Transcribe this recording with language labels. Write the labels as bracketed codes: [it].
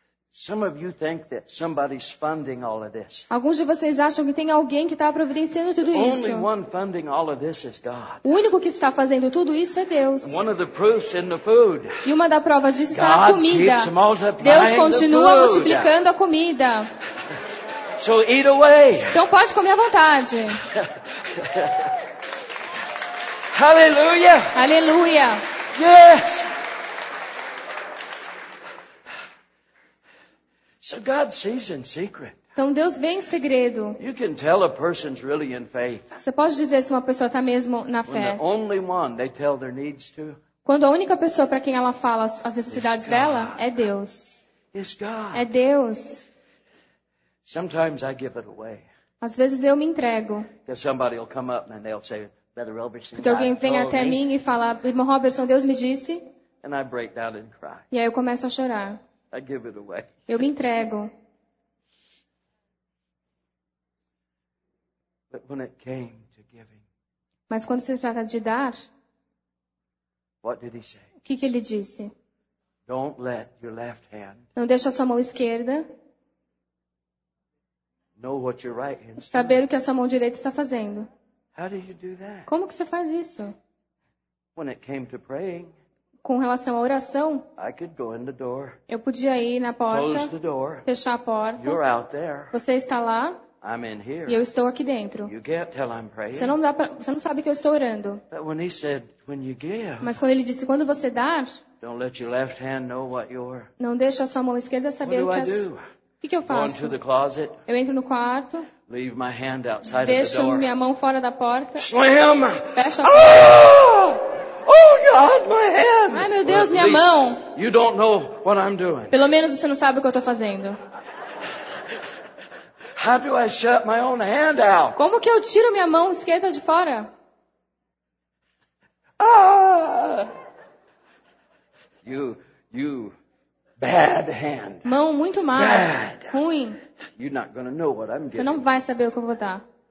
[en] Some of you think that somebody's funding all of this. [pt] Alguns de vocês acham que tem alguém que está providenciando tudo isso. [en] Only one funding all of this is God. [pt] O único que está fazendo tudo isso é Deus. [en] And one of the proofs in the food. [pt] E uma da prova de estar [en] God [pt] a comida. [en] Keeps multiplying [pt] Deus continua [en] the food. [pt] Multiplicando a comida. [en] So eat away. [pt] Então pode comer à vontade. Aleluia. Aleluia. [en] Yes. So God sees in secret. [pt] Então Deus vê em segredo. [en] You can tell a person's really in faith. [pt] Você pode dizer se uma pessoa está mesmo na fé. [en] When the only one they tell their needs to, [pt] quando a única pessoa para quem ela fala as necessidades dela é Deus. [en] It's God. [pt] É Deus. [en] Sometimes I give it away. [pt] Às vezes eu me entrego. [en] Because somebody will come up and they'll say, Brother Robertson, [pt] porque alguém vem até mim e fala, irmão Robertson, Deus me disse. [en] And I break down and cry. [pt] E aí eu começo a chorar. [en] I give it away. [pt] Eu me entrego. [en] But when it came to giving, [pt] mas quando se trata de dar, [en] what did he say? [pt] O que, que ele disse? [en] Don't let your left hand, [pt] não deixe a sua mão esquerda, [en] know what your right hand, [pt] saber o que a sua mão direita está fazendo. [en] How do you do that? [pt] Como que você faz isso? [en] When it came to praying, [pt] com relação à oração, [en] I could go in the door, [pt] eu podia ir na porta, [en] close the door, [pt] fechar a porta, [en] you're out there, [pt] você está lá, [en] I'm in here, [pt] e eu estou aqui dentro. [en] You can't tell I'm praying. [pt] Você, não dá pra, você não sabe que eu estou orando. [en] But when he said, when you give, [pt] mas quando ele disse, quando você dar, [en] don't let your left hand know what you're, [pt] não deixe a sua mão esquerda saber [en] what [pt] o que [en] I do? [pt] que eu faço? [en] Go into the closet. [pt] Eu entro no quarto. [en] Leave my hand outside of the door. [pt] Deixo minha mão fora da porta. [en] Slam! [pt] Fecho a porta. [en] Oh! Oh God, my hand! [pt] Ai meu Deus, minha mão! [en] You don't know what I'm doing. [pt] Pelo menos você não sabe o que eu tô fazendo. [en] How do I shut my own hand out? [pt] Como que eu tiro minha mão esquerda de fora? [en] Ah! You bad hand. [pt] Mão muito má. [en] Bad. [pt] Ruim. [en] You're not gonna know what I'm doing. [pt] Você não vai saber o que eu vou dar.